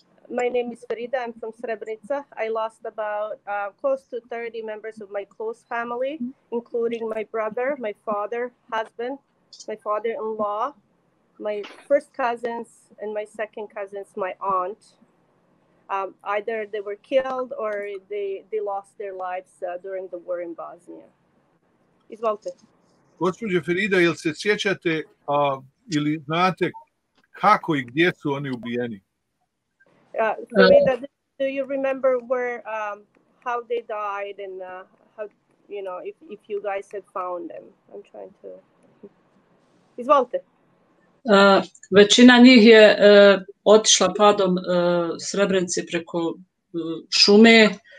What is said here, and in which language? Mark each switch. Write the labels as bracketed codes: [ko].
[en] My name is Ferida, I'm from Srebrenica. I lost about close to 30 members of my close family, including my brother, my father, husband, my father-in-law, my first cousins, and my second cousins, my aunt. Either they were killed or they lost their lives during the war in Bosnia. [bs] Izvolite. Gospođo Ferida, jel se sjećate ili znate kako i gdje su oni ubijeni? [en] Do you remember where how they died and how you know if you guys had found them? I'm trying to. [bs] Izvolite. Većina njih je otišla padom Srebrenice preko šume.